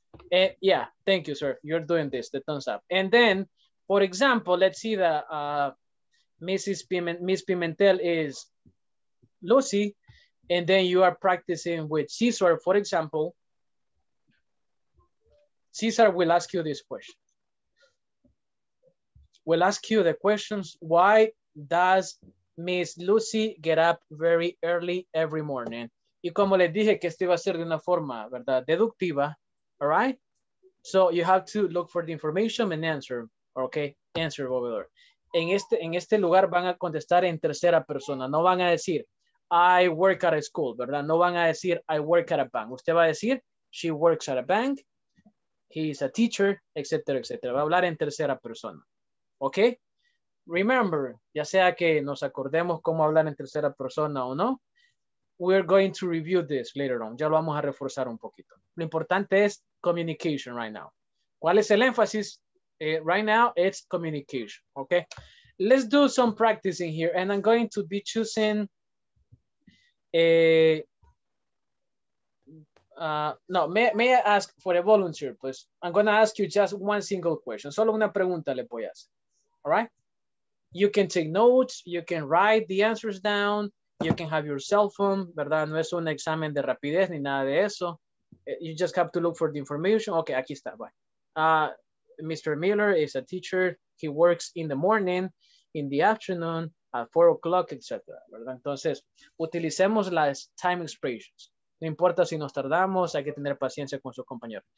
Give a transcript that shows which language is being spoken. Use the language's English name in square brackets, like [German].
[English] Yeah, thank you, sir. You're doing this, the thumbs up. And then, for example, let's see that Miss Pimentel is Lucy, and then you are practicing with Cesar, for example. Cesar will ask you this question. We'll ask you the questions, why does Miss Lucy get up very early every morning? [Spanish] Y como les dije que esto iba a ser de una forma, ¿verdad? Deductiva, all right? [English] So you have to look for the information and answer, okay? Answer over there. [Spanish] En este lugar van a contestar en tercera persona. No van a decir, [English] I work at a school, [Spanish] ¿verdad? No van a decir, [English] I work at a bank. [Spanish] Usted va a decir, [English] she works at a bank, he is a teacher, [Spanish] etcétera, etcétera. Va a hablar en tercera persona, okay? Remember, ya sea que nos acordemos cómo hablar en tercera persona o no, [English] we're going to review this later on. [Spanish] Ya lo vamos a reforzar un poquito. Lo importante es communication [English] right now. [Spanish] ¿Cuál es el énfasis? [English] Right now, it's communication, okay? Let's do some practicing here, and I'm going to be choosing may I ask for a volunteer, please? I'm going to ask you just one single question. [Spanish] Solo una pregunta le voy a hacer, [English] all right? You can take notes, you can write the answers down, you can have your cell phone, ¿verdad? [Spanish] No es un examen de rapidez ni nada de eso. [English] You just have to look for the information. Okay, [Spanish] aquí está. [English] Bye. Mr. Mueller is a teacher. He works in the morning, in the afternoon, at 4 o'clock, etc. [Spanish] ¿Verdad? Entonces, utilicemos las time expressions. No importa si nos tardamos, hay que tener paciencia con su compañero.